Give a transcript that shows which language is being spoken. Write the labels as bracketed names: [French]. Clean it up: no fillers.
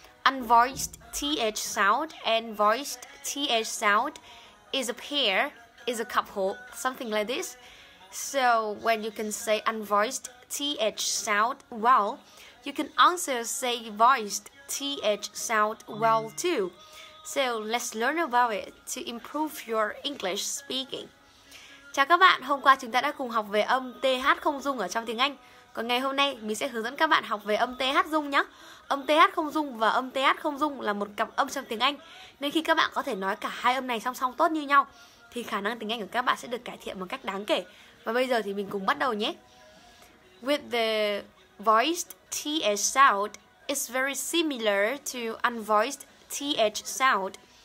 [English] Unvoiced TH sound and voiced TH sound is a pair, is a couple, something like this. So when you can say unvoiced TH sound well, you can also say voiced TH sound well too. So let's learn about it to improve your English speaking. [Vietnamese] Chào các bạn, hôm qua chúng ta đã cùng học về âm TH không dung ở trong tiếng Anh. Còn ngày hôm nay, mình sẽ hướng dẫn các bạn học về âm TH dung nhé. Âm TH không dung và âm TH không dung là một cặp âm trong tiếng Anh. Nên khi các bạn có thể nói cả hai âm này song song tốt như nhau, thì khả năng tiếng Anh của các bạn sẽ được cải thiện một cách đáng kể. Và bây giờ thì mình cùng bắt đầu nhé. [English] With the voiced TH sound, it's very similar to unvoiced TH sound.